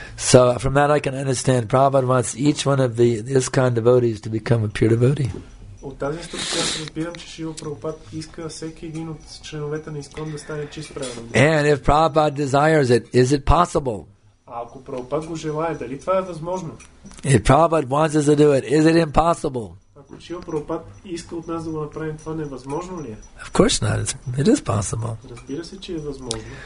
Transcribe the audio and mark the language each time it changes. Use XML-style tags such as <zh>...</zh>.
<en>So from that I can understand, Prabhupada wants each one of the ISKCON devotees to become a pure devotee.</en> <bg>От тази инструкция аз разбирам, че Шрила Прабхупада иска всеки един от членовете на ИСКОН да стане чист праведен.</bg> <en>And if Prabhupada desires it, is it possible?</en> <bg>Ако Прабхупад го желае, дали това е възможно?</bg> <en>If Prabhupad wants us to do it, is it impossible?</en> <bg>Ако Шрила Прабхупад иска от нас да го направим, това не е възможно ли?</bg> <en>Of course not. It is possible.</en> <bg>Разбира се, че е възможно.</bg>